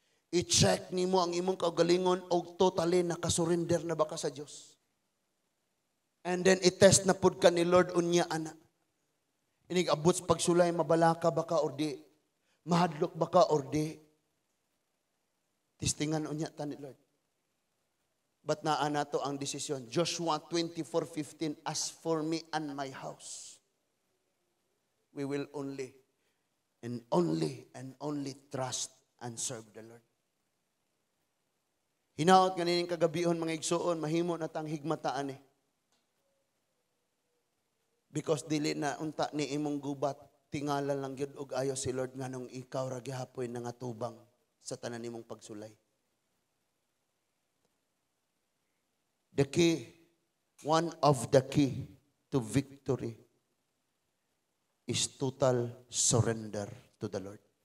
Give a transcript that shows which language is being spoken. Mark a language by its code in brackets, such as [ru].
[ceb] I-check ni mo ang imong kaugalingon o totally nakasurrender na ba ka sa Diyos. And then i-test na pud ka ni Lord unya ana. Inig-abots pagsulay, mabalaka ba ka or di? Mahadlok ba ka or di? Istingan unya tani Lord. But naa nato ang desisyon. [en] Joshua 24:15, as for me and my house, we will only trust and serve the Lord. [ceb] Hinaot kanining kagabihon mga igsoon, mahimo na tang higmataan eh. Because dili na unta ni imong gubat, tingala lang gyud og ayo si Lord nganong ikaw ra gihapoy nang atubang sa tanan imong pagsulay. [en] The key, one of the key to victory is total surrender to the Lord.